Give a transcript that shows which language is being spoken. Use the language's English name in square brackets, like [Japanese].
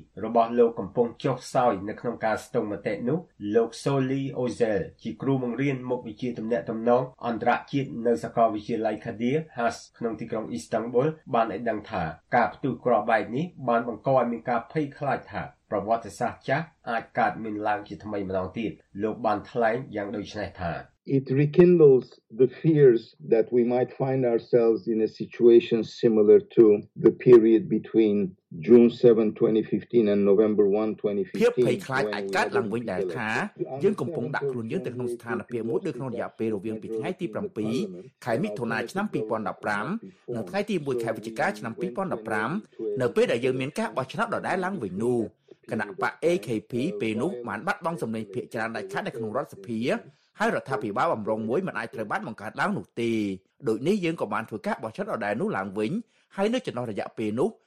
[Khmer] របស់លោកកំពុងចុះសោយនៅក្នុងការស្ទង់មតិនោះលោកសូលីអូសែលជាគ្រូបង្រៀនមុខវិជ្ជាទំនាក់ទំនងអន្តរជាតិនៅសាកលវិទ្យាល័យខាឌៀហាសក្នុងទីក្រុងអ៊ីស្តង់ប៊ុលបានឲ្យដឹងថាការផ្ទុះគ្រាប់បែកនេះបានបង្កឲ្យមានការភ័យខ្លាចថាប្រវត្តិសាស្ត្រចាស់អាចកើតមានឡើងជាថ្មីម្ដងទៀតលោកបានថ្លែងយ៉ាងដូចនេះថា [English] It rekindles the fears that we might find ourselves in a situation similar to the period between June 7, 2015 and November 1, 2015. [Khmer] ភាពភ័យខ្លាចអាចកើតឡើងវិញដែរថាយើងកំពុងដាក់ខ្លួនយើងទៅក្នុងស្ថានភាពមួយដូចក្នុងរយៈពេលរវាងពីថ្ងៃទី7ខែមិថុនាឆ្នាំ2015និងថ្ងៃទី1ខែវិច្ឆិកាឆ្នាំ2015នៅពេលដែលយើងមានការបោះឆ្នោតដដែលឡើងវិញនោះគណៈបក AKP ពេលនោះបានបាត់បង់សំឡេងភាគច្រើនដាច់ខាតនៅក្នុងរដ្ឋសភាហើយរដ្ឋាភិបាលបំរុងមួយមិនអាចត្រូវបានបង្កើតឡើងនោះទេដូចនេះយើងក៏បានធ្វើការបោះឆ្នោតដដែលនោះឡើងវិញហើយនៅចន្លោះរយៈពេលនោះ